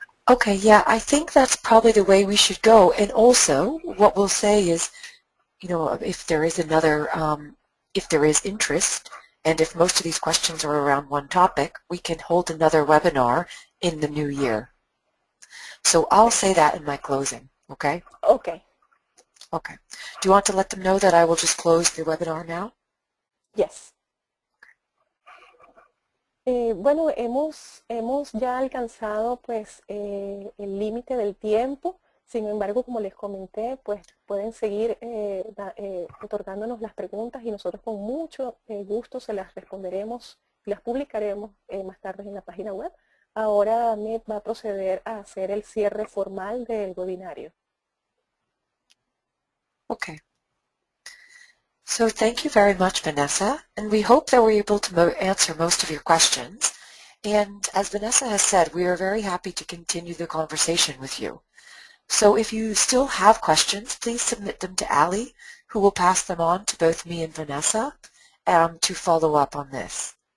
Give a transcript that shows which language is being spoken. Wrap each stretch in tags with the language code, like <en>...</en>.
<en>Okay, yeah, I think that's probably the way we should go. And also, what we'll say is, you know, if there is another, if there is interest, and if most of these questions are around one topic, we can hold another webinar in the new year. So I'll say that in my closing, okay? Okay. Okay. Do you want to let them know that I will just close the webinar now? Yes.</en> <es>Bueno, hemos ya alcanzado pues el límite del tiempo. Sin embargo, como les comenté, pues pueden seguir otorgándonos las preguntas y nosotros con mucho gusto se las responderemos y las publicaremos más tarde en la página web. Ahora Ahmed va a proceder a hacer el cierre formal del webinario.</es> <en>Okay. So thank you very much, Vanessa, and we hope that we're able to answer most of your questions. And as Vanessa has said, we are very happy to continue the conversation with you. So if you still have questions, please submit them to Ali, who will pass them on to both me and Vanessa to follow up on this.</en>